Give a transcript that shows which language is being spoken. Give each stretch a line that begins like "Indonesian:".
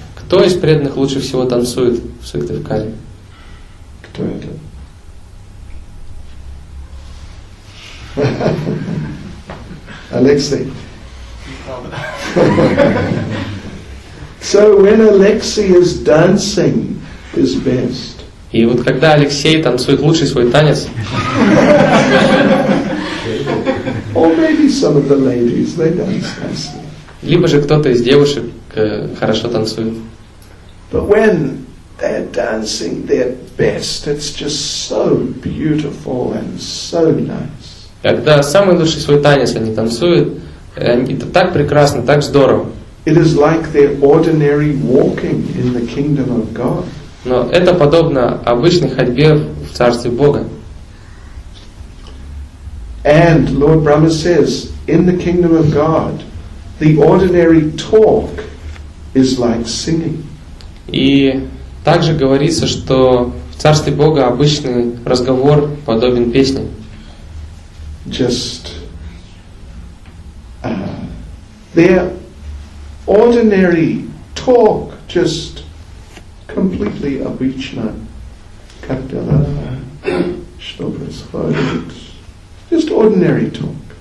Russian: Кто из преданных лучше всего танцует в Сыктывкаре? Кто это? Алексей.
English: So when Alexei is dancing his best.
Russian: И вот когда Алексей танцует лучший свой танец.
English: Or maybe some of the ladies, they dance nicely.
Russian: Либо же кто-то из девушек хорошо танцует.
English: But when they're dancing their best, it's just so beautiful and so nice.
Russian: Когда самый лучший свой танец они танцуют, это так прекрасно, так здорово.
English: It is like their ordinary walking in the kingdom of God.
Russian: Но это подобно обычной ходьбе в царстве Бога.
English: And Lord Brahma says, in the kingdom of God, the ordinary talk is like singing.
Russian: И также говорится, что в царстве Бога обычный разговор подобен песне.
English: Just their ordinary talk, just completely
Russian: обычно, как дела, что происходит,
English: just ordinary talk.